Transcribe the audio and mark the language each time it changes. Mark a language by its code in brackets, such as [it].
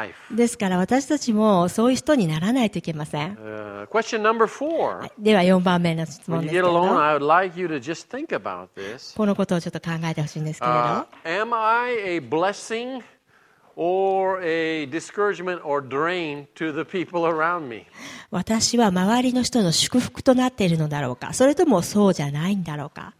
[ja] ですから私たちもそういう人にならないといけません。 [en] Question number four. [ja] では4番目の質問ですけど。 [en] When you get alone, I would like you to just think about this. [ja] このことをちょっと考えてほしいんですけれど。 [en] Am I a blessing or a discouragement or drain to the people around me? [ja] 私は周りの人の祝福となっているのだろうか、それともそうじゃないんだろうか。